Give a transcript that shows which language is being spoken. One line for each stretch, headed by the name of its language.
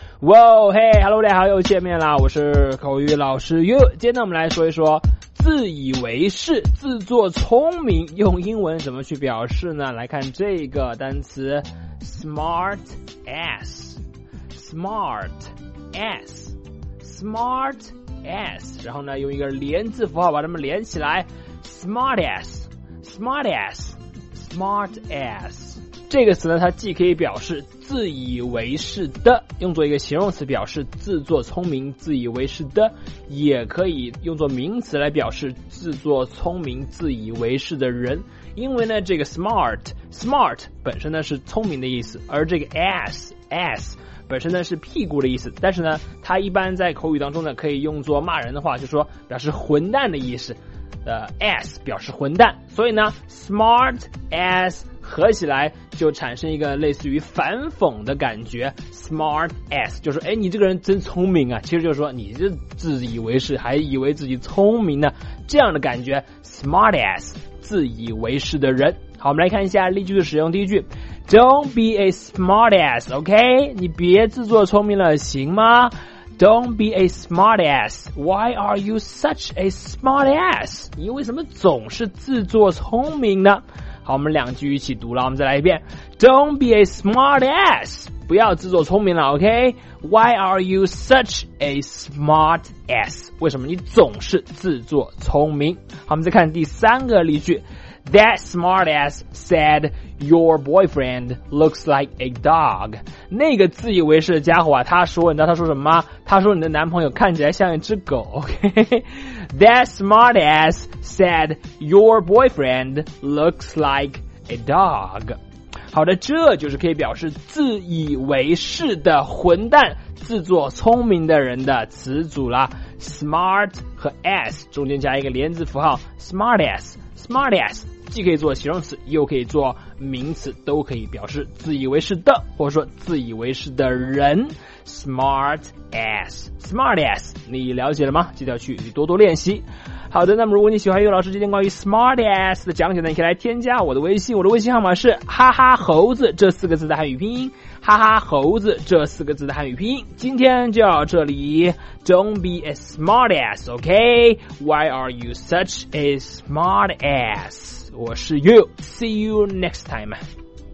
Chinese: 哇哦，嘿哈喽，大家好，又见面啦，我是口语老师哟。今天呢我们来说一说自以为是、自作聪明用英文怎么去表示呢。来看这个单词 smart ass smart ass smart ass， 然后呢用一个连字符号把它们连起来 smart ass smart ass smart ass。这个词呢它既可以表示自以为是的，用作一个形容词表示自作聪明自以为是的，也可以用作名词来表示自作聪明自以为是的人。因为呢这个 smart 本身呢是聪明的意思，而这个 ass 本身呢是屁股的意思，但是呢它一般在口语当中呢可以用作骂人的话，就说表示混蛋的意思，ass 表示混蛋，所以呢 smart ass合起来就产生一个类似于反讽的感觉， smart ass 就是哎，你这个人真聪明啊，其实就是说你这自以为是还以为自己聪明呢，这样的感觉 smart ass 自以为是的人。好，我们来看一下例句的使用。第一句，
English: don't be a smart ass， OK，
Chinese: 你别自作聪明了行吗？
English: don't be a smart ass， why are you such a smart ass，
Chinese: 你为什么总是自作聪明呢？好，我们两句一起读了，我们再来一遍。
English: Don't be a smart ass，
Chinese: 不要自作聪明了
English: ，OK？ Why are you such a smart ass？
Chinese: 为什么你总是自作聪明？好，我们再看第三个例句。
English: That smart ass said your boyfriend looks like a dog。
Chinese: 那个自以为是的家伙啊，他说，你知道他说什么吗？他说你的男朋友看起来像一只狗 ，OK？
English: That smart ass said your boyfriend looks like a dog。
Chinese: 好的，这就是可以表示自以为是的混蛋、自作聪明的人的词组啦。 Smart 和 ass 中间加一个连字符号 ，smart ass。 Smart ass 既可以做形容词又可以做名词，都可以表示自以为是的或者说自以为是的人。 Smart ass Smart ass 你了解了吗？记得要去多多练习。好的，那么如果你喜欢岳老师今天关于 smart ass 的讲解呢，你可以来添加我的微信，我的微信号码是哈哈猴子这四个字的汉语拼音，哈哈猴子这四个字的汉语拼音。今天就到这里，
English: Don't be a smart ass OK? Why are you such a smart ass?
Chinese: 我是
English: You See you next time